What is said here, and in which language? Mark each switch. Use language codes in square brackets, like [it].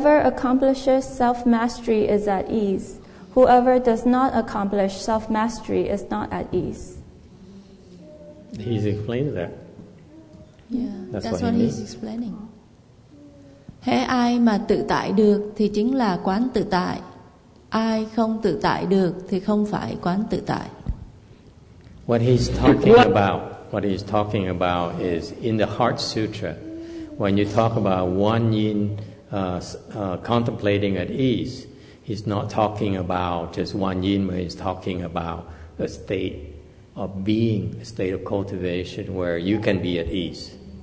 [en] accomplishes self-mastery is at ease. Whoever does not accomplish self-mastery is not at ease. He's explained that. Yeah, that's what he's explaining. [vi] Hễ ai mà tự tại được thì chính là quán tự tại. Ai không tự tại được thì không phải quán tự tại. [en] What he's talking about is in the Heart Sutra. When you talk about one yin contemplating at ease, he's not talking about just one yin, but he's talking about a state of being, a state of cultivation where you can be at ease.